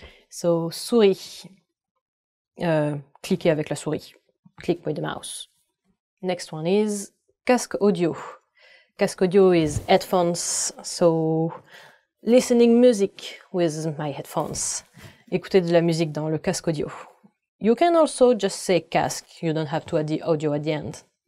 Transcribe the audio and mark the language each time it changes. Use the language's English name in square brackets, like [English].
[French] So, souris, cliquer avec la souris, [English] click with the mouse. Next one is casque audio. Casque audio is headphones, so listening music with my headphones. [French] Écouter de la musique dans le casque audio. [English] You can also just say casque, you don't have to add the audio at the end.